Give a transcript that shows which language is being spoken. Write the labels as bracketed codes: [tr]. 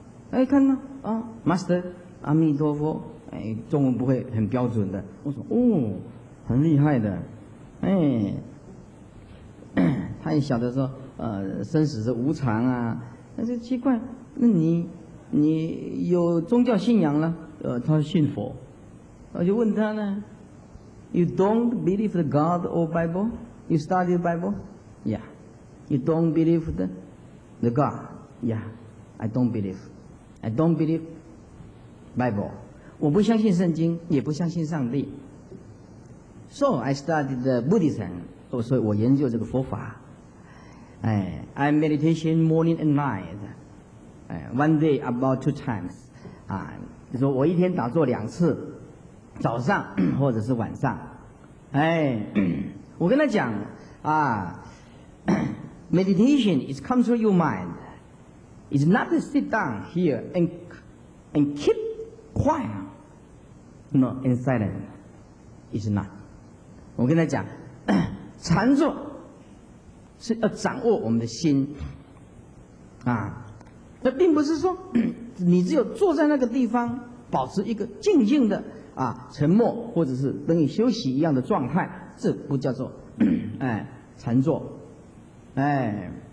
[zh] 哎，看呢啊 ，Master， 阿弥陀佛。哎，中文不会很标准的。我说哦，很厉害的。哎，他也晓得说，生死是无常啊。那就奇怪，那你有宗教信仰了？他信佛。我就问他呢 [en] ，You don't believe the God or Bible? You study the Bible? Yeah. You don't believe the God? Yeah. I don't believe. I don't believe Bible. [zh] 我不相信圣经，也不相信上帝。 [en] So I studied the Buddhism. [zh] 所以我研究这个佛法。 [en] 哎 ，I meditation morning and night. 哎 ，one day about two times. [zh] 啊，就说我一天打坐两次，早上或者是晚上。哎，我跟他讲啊 ， [en] meditation is come through your mind. It's not to sit down here and keep quiet. No, in silence. It's not. [zh] 我跟他讲，禅坐是要掌握我们的心啊。这并不是说你只有坐在那个地方，保持一个静静的啊沉默，或者是等于休息一样的状态，这不叫做哎禅坐，哎。